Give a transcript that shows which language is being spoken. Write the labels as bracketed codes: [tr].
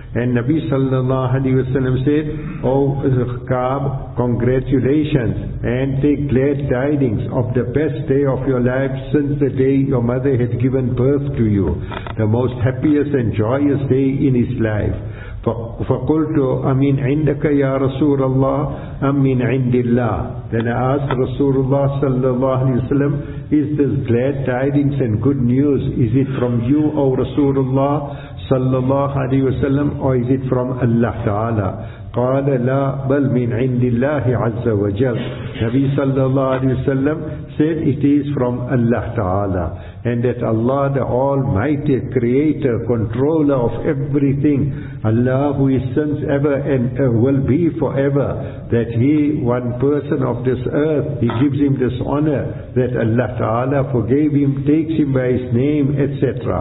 [en] And Nabi sallallahu alayhi wa sallam said, Oh Ka'b, congratulations and take glad tidings of the best day of your life since the day your mother had given birth to you, the most happiest and joyous day in his life. [ar] فقلت أمن عندك يا رسول الله أم من عند الله. [en] Then I asked Rasulullah sallallahu alayhi wa sallam, is this glad tidings and good news, is it from you, O Rasulullah sallallahu alayhi wa sallam, or is it from Allah Ta'ala? [ar] قال لا بل من عند الله عز وجل. [en] Nabi sallallahu alayhi wa sallam said, it is from Allah Ta'ala, and that Allah, the Almighty, Creator, Controller of everything, Allah who is since ever and will be forever, that He, one person of this earth, He gives him this honor, that Allah Ta'ala forgave him, takes him by his name, etc.